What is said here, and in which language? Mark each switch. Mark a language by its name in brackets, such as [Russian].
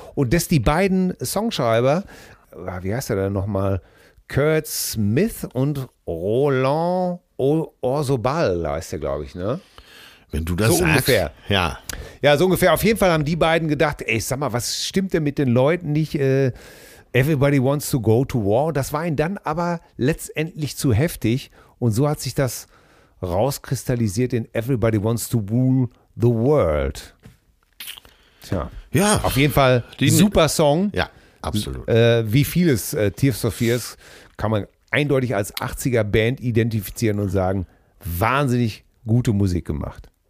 [German] Und dass die beiden Songschreiber, wie heißt er denn nochmal, Kurt Smith und Roland Orzabal, da heißt er, glaube ich, ne? Wenn du das so sagst. Ungefähr. Ja. Ja, so ungefähr. Auf jeden Fall haben die beiden gedacht, ey, sag mal, was stimmt denn mit den Leuten nicht? [English] Everybody wants to go to war. [German] Das war ihnen dann aber letztendlich zu heftig. Und so hat sich das rauskristallisiert in Everybody Wants to Rule the World. Tja. Ja. Auf jeden Fall die super Song. Ja, absolut. Wie vieles Tears for Fears kann man eindeutig als 80er Band identifizieren und sagen, wahnsinnig gute Musik gemacht.